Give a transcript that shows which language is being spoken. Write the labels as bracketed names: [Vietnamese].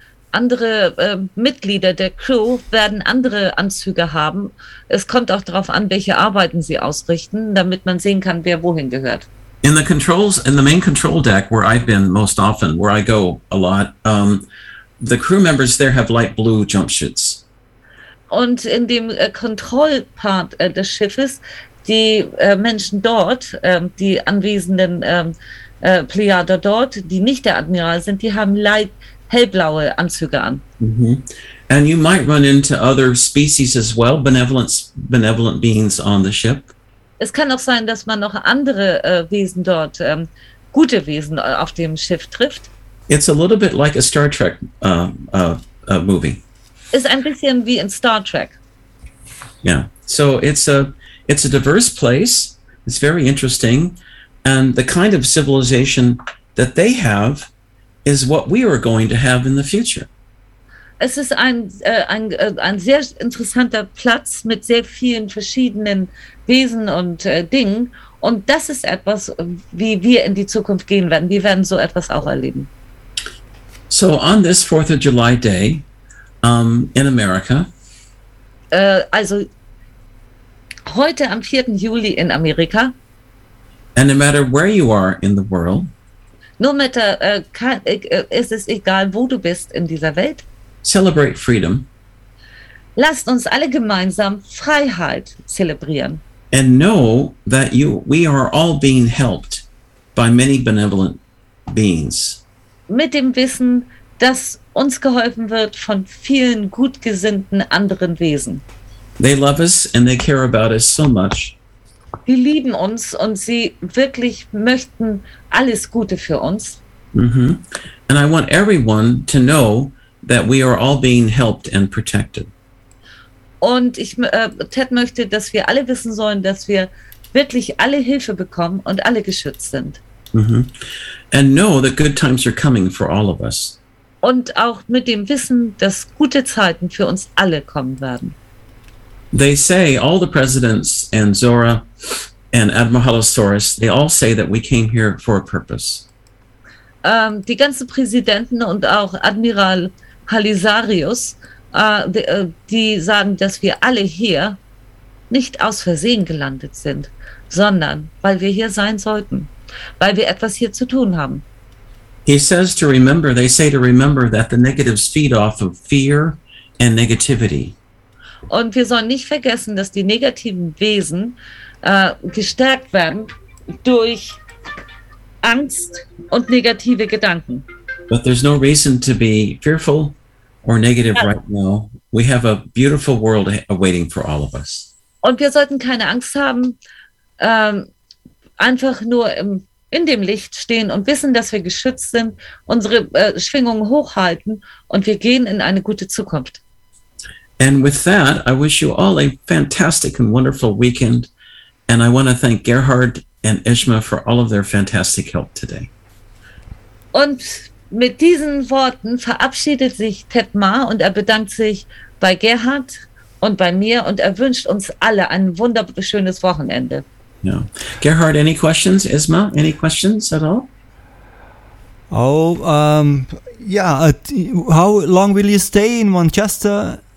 [German] Andere Mitglieder der Crew werden andere Anzüge haben. Es kommt auch darauf an, welche Arbeiten sie ausrichten, damit man sehen kann, wer wohin gehört. [English] In the main control deck, where I've been most often, where I go a lot, the crew members there have light blue jumpsuits. [German] Und in dem Kontrollpart des Schiffes, die Menschen dort, die anwesenden Pleiader dort, die nicht der Admiral sind, die haben hellblaue Anzüge an. Mm-hmm. [English] And you might run into other species as well, benevolent beings on the ship. [German] Es kann auch sein, dass man noch andere Wesen dort, gute Wesen auf dem Schiff trifft. [English] It's a little bit like a Star Trek movie. [German] Ist ein bisschen wie in Star Trek. [English] Yeah, so it's a diverse place. It's very interesting. And the kind of civilization that they have is what we are going to have in the future. [German] Es ist ein sehr interessanter Platz mit sehr vielen verschiedenen Wesen und Dingen. Und das ist etwas, wie wir in die Zukunft gehen werden. Wir werden so etwas auch erleben. [English] So on this 4th of July day in America. [German] Also heute am 4. Juli in Amerika. [English] And no matter where you are in the world. [German] Nur mit der, ist es egal, wo du bist in dieser Welt. [English] Celebrate freedom. [German] Lasst uns alle gemeinsam Freiheit zelebrieren. [English] And know that we are all being helped by many benevolent beings. [German] Mit dem Wissen, dass uns geholfen wird von vielen gutgesinnten anderen Wesen. [English] They love us and they care about us so much. [German] Sie lieben uns und sie wirklich möchten alles Gute für uns. Mm-hmm. [English] And I want everyone to know that we are all being helped and protected. [German] Und ich, Ted möchte, dass wir alle wissen sollen, dass wir wirklich alle Hilfe bekommen und alle geschützt sind. Mm-hmm. [English] And know that good times are coming for all of us. [German] Und auch mit dem Wissen, dass gute Zeiten für uns alle kommen werden. [English] They say all the presidents and Zora and Admiralosaurus, they all say that we came here for a purpose. [German] Die ganzen Präsidenten und auch Admiral Halisarius, die sagen, dass wir alle hier nicht aus Versehen gelandet sind, sondern weil wir hier sein sollten, weil wir etwas hier zu tun haben. [English] He says to remember, they say to remember that the negatives feed off of fear and negativity. [German] Und wir sollen nicht vergessen, dass die negativen Wesen gestärkt werden durch Angst und negative Gedanken. [English] But there's no reason to be fearful or negative right now. We have a beautiful world awaiting for all of us. [German] Und wir sollten keine Angst haben, einfach nur in dem Licht stehen und wissen, dass wir geschützt sind, unsere Schwingungen hochhalten und wir gehen in eine gute Zukunft. [English] And with that, I wish you all a fantastic and wonderful weekend. And I want to thank Gerhard and Ishma for all of their fantastic help today. [German] Und mit diesen Worten verabschiedet sich Ted Ma und er bedankt sich bei Gerhard und bei mir und er wünscht uns alle ein wunderschönes Wochenende. [English] Yeah. Gerhard, any questions? Ishma, any questions at all? Oh, yeah. How long will you stay in Manchester?